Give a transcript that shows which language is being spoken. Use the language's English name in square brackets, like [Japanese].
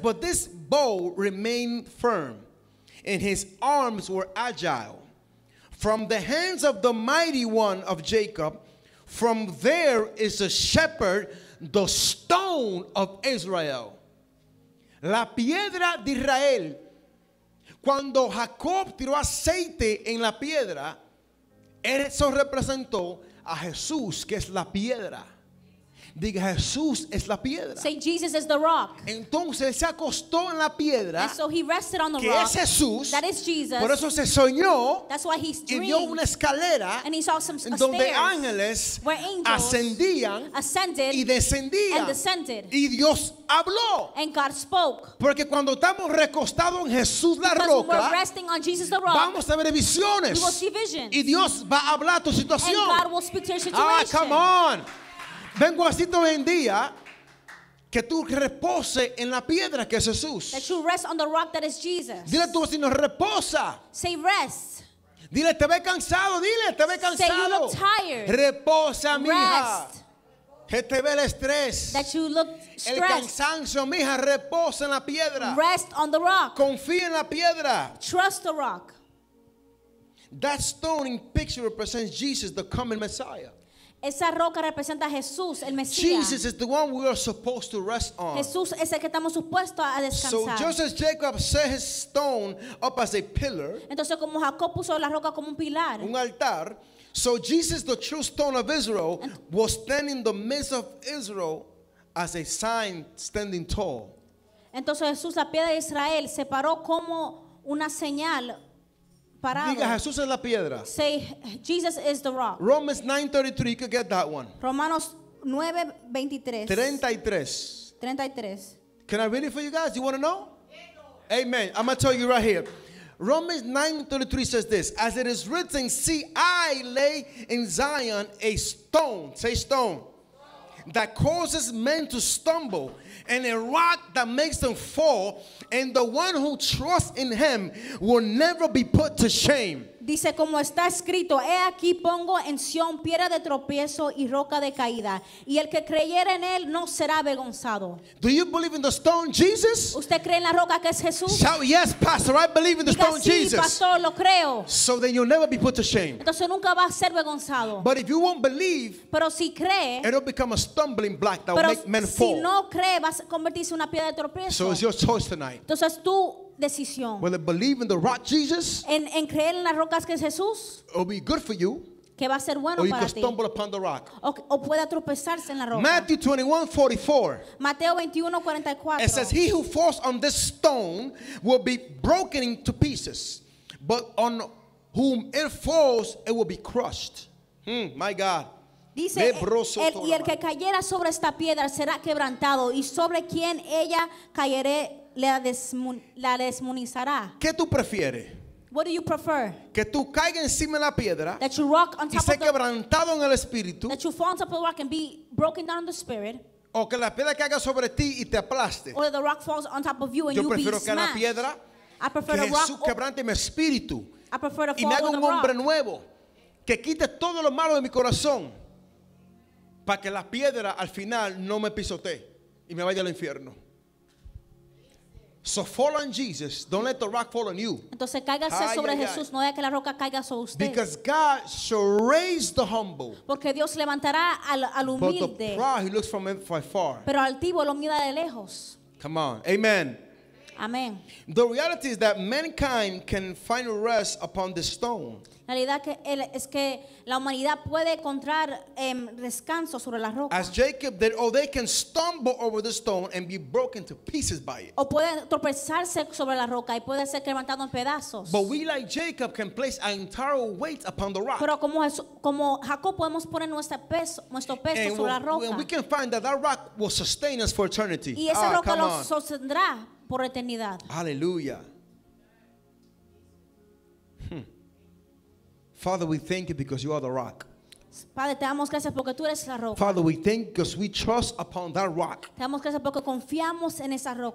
[English] But this bow remained firm, and his arms were agile from the hands of the mighty one of Jacob. From there is the shepherd, the stone of Israel. [Spanish] La piedra de Israel. Cuando Jacob tiró aceite en la piedra, eso representó a Jesús, que es la piedra. Diga, Jesús es la piedra. [English] Say, Jesus is the rock. [Spanish] Entonces, él se acostó en la piedra. [English] And so he rested on the [Spanish] que [English] rock. [Spanish] Es Jesús. [English] That is Jesus. [Spanish] Por eso se soñó. [English] That's why he's dreamed. [Spanish] Y vio una escalera. [English] And he saw some stairs. [Spanish] Donde ángeles ascendían. [English] Ascended. [Spanish] Y descendían. [English] And descended. [Spanish] Y Dios habló. [English] And God spoke. [Spanish] Porque cuando estamos recostados en Jesús la roca. [English] Because we're resting on Jesus the rock. [Spanish] Vamos a ver visiones. [English] We will see visions. [Spanish] Y Dios va a hablar a tu situación. [English] And God will speak to your situation. Ah, come on. [Spanish] Vengo así todo el día que tú repose en la piedra que es Jesús. [English] That you rest on the rock that is Jesus. [Spanish] Dile a tu vecino, reposa. [English] Say rest. [Spanish] Dile, te ve cansado. Dile, te ve cansado. [English] Say you look tired. [Spanish] Reposa, mija. [English] Rest. [Spanish] Que te ve el estrés. [English] That you look stressed. [Spanish] El cansancio, mija, reposa en la piedra. [English] Rest on the rock. [Spanish] Confía en la piedra. [English] Trust the rock. That stone in picture represents Jesus, the coming Messiah. [Spanish] Esa roca representa a Jesús, el Mesías. [English] Jesus is the one we are supposed to rest on. [Spanish] Jesús es el que estamos supuestos a descansar. [English] So just as Jacob set his stone up as a pillar, [Spanish] entonces como Jacob puso la roca como un pilar, un altar, [English] so Jesus, the true stone of Israel, was standing in the midst of Israel as a sign standing tall. [Spanish] Entonces Jesús, la piedra de Israel, se paró como una señal. Diga, Jesús es la piedra. [English] Say, Jesus is the rock. Romans 9:33, you could get that one. [Spanish] Romanos 9:33. [English] Can I read it for you guys? You want to know? Yeah, amen. I'm going to tell you right here. Romans 9:33 says this. As it is written, see, I lay in Zion a stone. Say stone. That causes men to stumble, and a rock that makes them fall, and the one who trusts in him will never be put to shame. [Spanish] Dice como está escrito, he aquí pongo en Sion piedra de tropiezo y roca de caída, y el que creyere en él no será avergonzado. [English] Do you believe in the stone Jesus? [Spanish] ¿Usted cree en la roca que es Jesús? [English] Shout yes, pastor, I believe in the stone Jesus. [Spanish] Diga sí, pastor, lo creo. [English] So then you'll never be put to shame. [Spanish] Entonces nunca va a ser avergonzado. [English] But if you won't believe, [Spanish] pero si cree, [English] it'll become a stumbling block that [Spanish] pero [English] will make men [Spanish] si [English] fall. [Spanish] Si no cree, va a convertirse en una piedra de tropiezo. [English] So it's your choice tonight. [Spanish] Entonces tú decisión. [English] Whether believe in the rock Jesus, [Spanish] en creer en las rocas que es Jesús, [English] it'll be good for you, [Spanish] que va a ser bueno [English] or you [Spanish] para [English] can [Spanish] ti. [English] Stumble upon the rock. [Spanish] O pueda tropezarse en la roca. [English] Matthew 21:44. [Spanish] Mateo 21:44. [English] It says, he who falls on this stone will be broken into pieces, but on whom it falls, it will be crushed. My God. [Spanish] Dice, y el que cayera sobre esta piedra será quebrantado, y sobre quien ella cayere la desmunizará. ¿Qué tú prefieres? [English] What do you prefer? [Spanish] Que tú caigas encima de la piedra, [English] that you rock on top [Spanish] y sea quebrantado en el espíritu, [English] that you fall on top of the rock and be broken down in the spirit, [Spanish] o que la piedra caiga sobre ti y te aplaste. [English] Or the rock falls on top of you and you be smashed. [Spanish] Que la piedra, [English] I prefer [Spanish] que [English] a rock, [Spanish] Jesús quebrante mi espíritu, [English] I prefer to fall [Spanish] y me haga un hombre [English] rock. [Spanish] Nuevo que quite todo lo malo de mi corazón para que la piedra al final no me pisotee y me vaya al infierno. [English] So fall on Jesus. Don't let the rock fall on you. [Spanish] Entonces cáigase sobre Jesús. No deja que la roca caiga sobre usted. [English] Because God shall raise the humble. [Spanish] Porque Dios levantará al humilde. [English] But the proud he looks from afar. [Spanish] Pero altivo lo mira de lejos. [English] Come on. Amen. Amen. The reality is that mankind can find rest upon the stone. [Spanish] La realidad es que la humanidad puede encontrar descanso sobre la roca. [English] As Jacob did, or they can stumble over the stone and be broken to pieces by it. [Spanish] O pueden tropezarse sobre la roca y puede ser quebrantado en pedazos. [English] But we like Jacob can place our entire weight upon the rock. [Spanish] Pero como Jacob podemos poner nuestro peso [English] and [Spanish] sobre la roca. [English] And we can find that rock will sustain us for eternity. [Spanish] Y esa roca lo sostendrá por eternidad. [English] Hallelujah. Father, we thank you because you are the rock. [Spanish] Padre, te damos gracias porque tú eres la roca. [English] Father, we thank you because we trust upon that rock. [Spanish] Te damos gracias porque confiamos en esa roca.